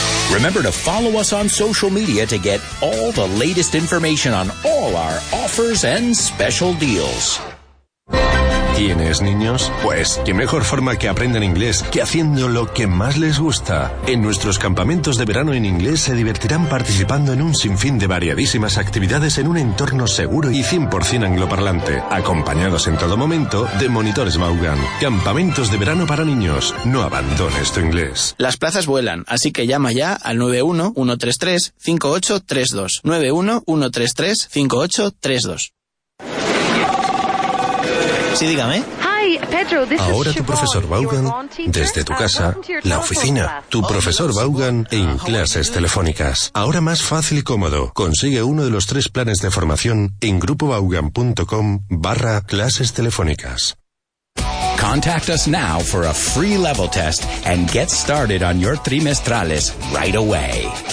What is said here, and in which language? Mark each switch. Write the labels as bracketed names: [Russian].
[English] Remember to follow us on social media to get all the latest information on all our offers and special deals. [Spanish] ¿Tienes niños? Pues, ¿qué mejor forma que aprendan inglés que haciendo lo que más les gusta? En nuestros campamentos de verano en inglés se divertirán participando en un sinfín de variadísimas actividades en un entorno seguro y 100% angloparlante, acompañados en todo momento de monitores Vaughan. Campamentos de verano para niños. No abandones tu inglés. Las plazas vuelan, así que llama ya al 91-133-5832. 91-133-5832. Sí, dígame. Ahora tu profesor Vaughan, desde tu casa, la oficina. Tu profesor Vaughan en clases telefónicas. Ahora más fácil y cómodo. Consigue uno de los tres planes de formación en grupovaughan.com/clases telefónicas. [English] Contact us now for a free level test and get started on your trimestrales right away.